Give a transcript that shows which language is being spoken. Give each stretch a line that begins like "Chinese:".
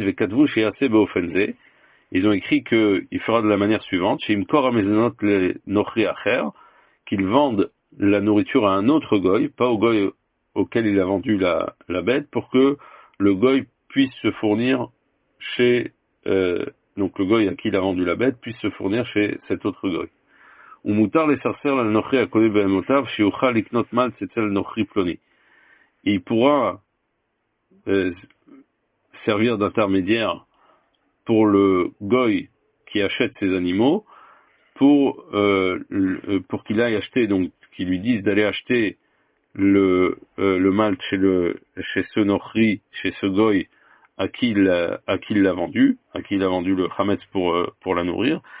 Hebrew: Vekatvu sheyaseh beofenze,
French: ils ont écrit que il fera de la manière suivante:
Hebrew: sheimkor amezenot le nochri acher,
French: qu'il vende la nourriture à un autre goy, pas au goy auquel il a vendu la bête, pour que le goy puisse se fournir chez donc le goy à qui il a vendu la bête puisse se fournir chez cet autre goy.
Hebrew: ומותר לסרסר לנוכרי הקונה בהמותיו, שיוכל לקנות מלץ אצל נוכרי פלוני.
French: Il pourra servir d'intermédiaire pour le goy qui achète ses animaux, pour qu'il aille acheter, donc qu'il lui dise d'aller acheter le malt chez ce goy à qui il a vendu le chametz pour la nourrir.